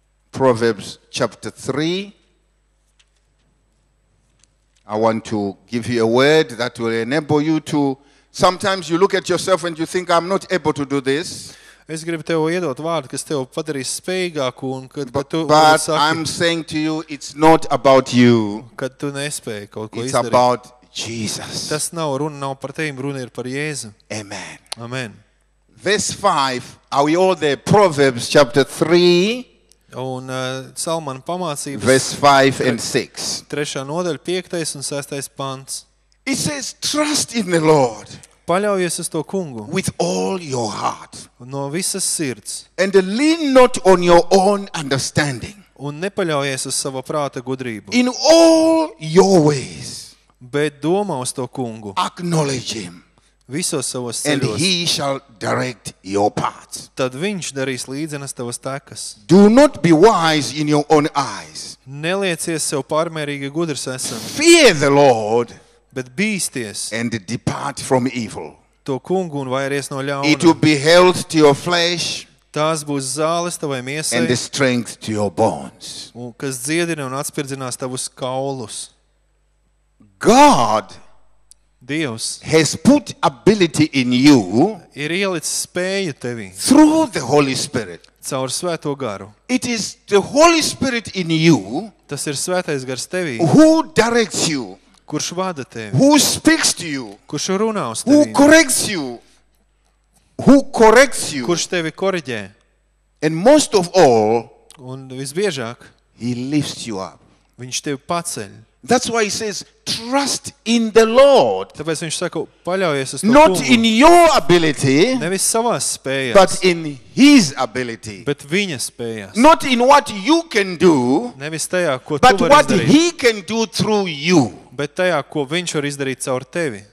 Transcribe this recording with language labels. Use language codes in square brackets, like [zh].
[en] Proverbs chapter 3. I want to give you a word that will enable you to sometimes you look at yourself and you think I'm not able to do this. [lv] Es gribu tev iedot vārdu, kas tev padarīs spējīgāku un kad [en] but, [lv] tu [en] but [lv] saki, [en] I'm saying to you it's not about you. [lv] Kad tu nespēji kaut ko [en] it's [lv] izdarīt. [en] It's about Jesus. [lv] Tas nav runa nav par tevi, runa ir par Jēzu. Amen. Amen. [en] Verse 5. Are we all there? Proverbs chapter 3. [lv] Un Salmana pamācības [en] verse 5 and 6. [lv] 3. Nodaļa 5. Un 6. Pants. [en] It says trust in the Lord. [lv] Paļaujies uz to Kungu. [en] With all your heart. [lv] No visas sirds. [en] And lean not on your own understanding. [lv] Un nepaļaujies uz savu prāta gudrību. [en] In all your ways. [lv] Bet domā uz to Kungu. [en] Acknowledge him. [lv] Visos savos ceļos. [en] And he shall direct your paths. [lv] Tad viņš darīs līdzenas tavas takas. [en] Do not be wise in your own eyes. [lv] Neliecies sev pārmērīgi gudrs esam. [en] Fear the Lord. [lv] Bet bīsties. [en] And depart from evil. [lv] To Kungu un vairies no ļauna. [en] It will be health to your flesh. [lv] Tās būs zāles tavai miesai. [en] And strength to your bones. [lv] Un kas dziedina un atspirdzinās tavus kaulus. [en] God. [lv] Dievs [en] has put ability in you [lv] ir ielicis spēju tevi [en] through the Holy Spirit. [lv] Caur svēto garu. [en] It is the Holy Spirit in you. [lv] Tas ir svētais gars tevī. [en] Who directs you? [lv] Kurš vada tevi? [en] Who speaks to you? [lv] Kurš runā uz tevi? [en] Who corrects you? Who corrects you? [lv] Kurš tevi koriģē? [en] And most of all, [lv] un visbiežāk, [en] he lifts you up. [lv] Viņš tevi paceļ. [en] That's why he says trust in the Lord. [lv] Tāpēc viņš saka, paļaujies uz to [en] Not [lv] Kungu. [en] In your ability. [lv] Nevis savās spējās. [en] But in his ability. [lv] Bet viņa spējās. [en] Not in what you can do. [lv] Nevis tajā, ko [en] but [lv] tu vari [en] what [lv] izdarīt. [en] He can do through you. [lv] Bet tajā, ko viņš var izdarīt caur tevi.